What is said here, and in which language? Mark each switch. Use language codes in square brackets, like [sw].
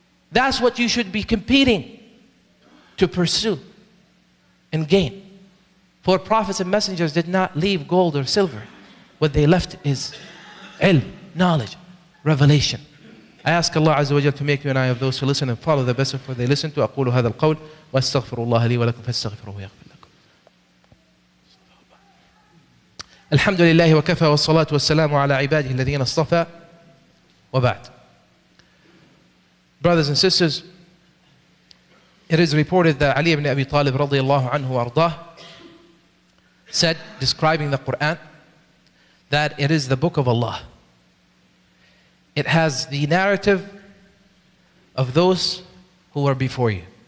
[en] That's what you should be competing to pursue and gain. For prophets and messengers did not leave gold or silver. What they left is ilm, knowledge. Revelation. I ask Allah Azza wa Jalla to make you and I of those who listen and follow the best of what they listen to. [ar] أقول هذا القول واستغفر الله لي ولكم فاستغفروه يغفر لكم. الحمد لله وكفى والصلاة والسلام على عباده الذين اصطفى وبعد. [en] Brothers and sisters, it is reported that Ali ibn Abi Talib [ar] رضي الله عنه وارضاه [en] said, describing the Quran, that it is the book of Allah. It has the narrative of those who are before you.